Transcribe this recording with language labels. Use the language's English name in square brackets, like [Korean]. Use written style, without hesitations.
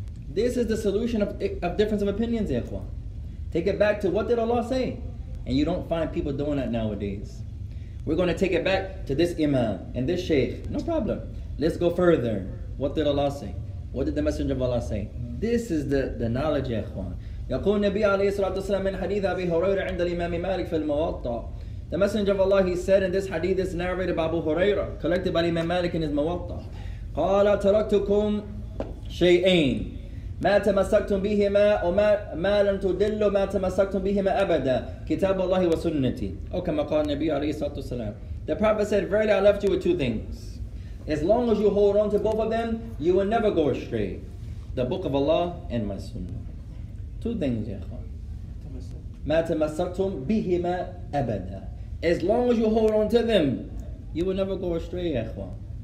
[English] This is the solution of difference of opinions, ikhwan. Take it back to what did Allah say? And you don't find people doing that nowadays. We're going to take it back to this imam and this sheikh. No problem. Let's go further. What did Allah say? What did the Messenger of Allah say? This is the knowledge, ikhwan. [Arabic] يقول النبي عليه الصلاة والسلام من حديث أبي هريرة عند الإمام مالك في الموطأ. [English] The Messenger of Allah, he said, in this hadith is narrated by Abu Huraira, collected by Imam Malik in his Muwatta. [Arabic] قال تركتكم شيئين ما تمسكتم بهما وما لن تدلوا ما تمسكتم بهما أبدا كتاب الله وسنتي. أو كما قال النبي عليه الصلاة والسلام. [English] The Prophet said, verily I left you with two things. As long as you hold on to both of them, you will never go astray. The Book of Allah and my Sunnah. Two things, ya khan. [Arabic] ما تمسكتم بهما أبدا. [English] As long as you hold on to them, you will never go astray, ya khan.